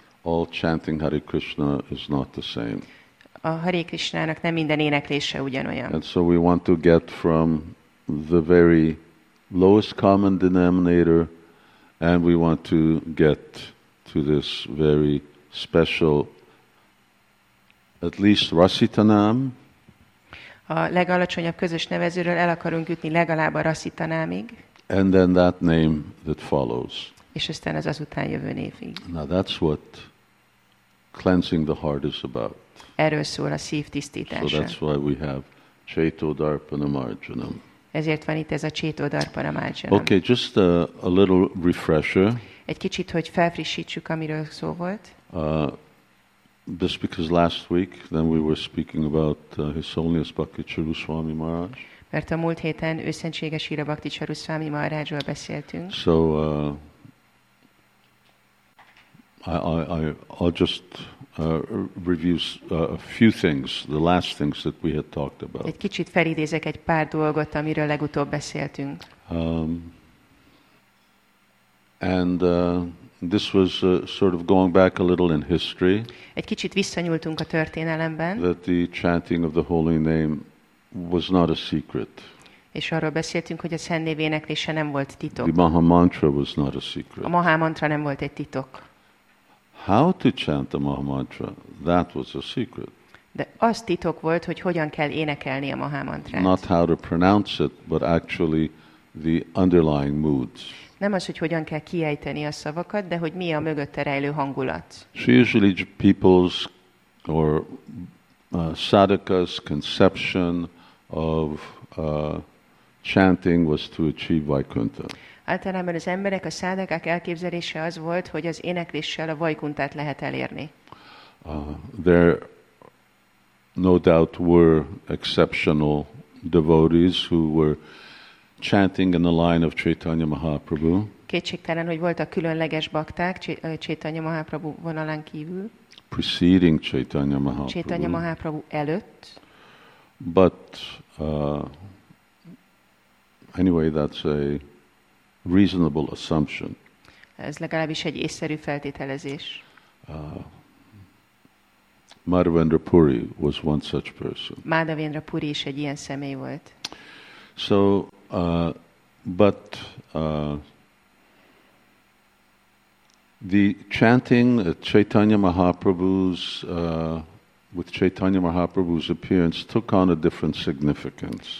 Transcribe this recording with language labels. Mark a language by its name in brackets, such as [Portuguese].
[English] All chanting Hare Krishna is not the same. [Hungarian] A Hare Krishnának nem minden éneklése ugyanolyan. [English] And so we want to get from the very lowest common denominator and we want to get to this very special, at least Rasita nám. [Hungarian] A legalacsonyabb közös nevezőről el akarunk jutni legalább a Rasita námig. [English] And then that name that follows. [Hungarian] És aztán az azután jövő névig. [English] Now that's what cleansing the heart is about. [Hungarian] Erről szól a szív tisztítása. [English] So that's why we have Cheto Darpana Marjanam. [Hungarian] Ezért van itt ez a Cheto Darpana Marjanam. [English] Okay, just a little refresher. [Hungarian] Egy kicsit, hogy felfrissítsük, amiről szó volt. [English] Just because last week then we were speaking about His Holiness Bhakti Charu Swami Maharaj. [Hungarian] Mert a múlt héten őszentséges Hira Bhakti Charu Swami Maharajról beszéltünk. [English] So I'll just review a few things, the last things that we had talked about. [Hungarian] Egy kicsit felidézek egy pár dolgot, amiről legutóbb beszéltünk. [English] This was sort of going back a little in history. [Hungarian] Egy kicsit visszanyúltunk a történelemben. [English] That the chanting of the holy name was not a secret. [Hungarian] És arról beszéltünk, hogy a szent név éneklése nem volt titok. [English] The Maha Mantra was not a secret. [Hungarian] A Maha Mantra nem volt egy titok. [English] How to chant the Maha Mantra, that was a secret. [Hungarian] De az titok volt, hogy hogyan kell énekelni a Maha Mantrát. [English] Not how to pronounce it, but actually the underlying moods. [Hungarian] Nem az, hogy hogyan kell kiejteni a szavakat, de hogy mi a mögötte rejlő hangulat. [English] So usually people's or sadhaka's conception of chanting was to achieve Vaikuntha. [Hungarian] Általában az emberek, a sadhakák elképzelése az volt, hogy az énekléssel a Vaikunthát lehet elérni. [English] There no doubt were exceptional devotees who were chanting in the line of Chaitanya Mahaprabhu. [Hungarian] Kétségtelen, hogy voltak különleges bakták Chaitanya Mahaprabhu vonalán kívül. [English] Preceding Chaitanya Mahaprabhu. [Hungarian] Chaitanya Mahaprabhu előtt. [English] But anyway, that's a reasonable assumption. [Hungarian] Ez legalábbis egy észszerű feltételezés. [English] Madhavendra Puri was one such person. [Hungarian] Madhavendra Puri is egy ilyen személy volt. [English] So but the chanting at Chaitanya Mahaprabhu's with Chaitanya Mahaprabhu's appearance took on a different significance.